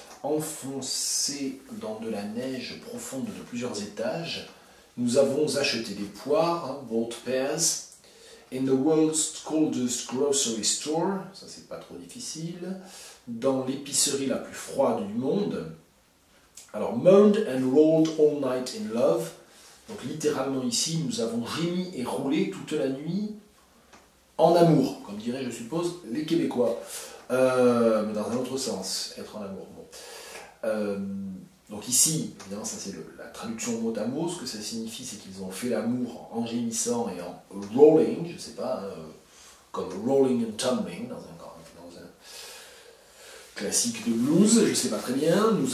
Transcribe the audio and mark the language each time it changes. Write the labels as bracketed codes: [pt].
[fr] Enfoncé dans de la neige profonde de plusieurs étages, nous avons acheté des poires, hein, [en] bolt pairs, in the world's coldest grocery store, [fr] ça c'est pas trop difficile, dans l'épicerie la plus froide du monde. [en] Alors, moaned and rolled all night in love. [fr] Donc littéralement ici, nous avons gémi et roulé toute la nuit en amour, comme diraient, je suppose, les Québécois. Mais dans un autre sens, être en amour. Bon. Donc ici, évidemment, ça c'est la traduction mot à mot. Ce que ça signifie, c'est qu'ils ont fait l'amour en gémissant et en rolling, je ne sais pas, comme [en] rolling and tumbling [fr] dans un classique de blues, je ne sais pas très bien.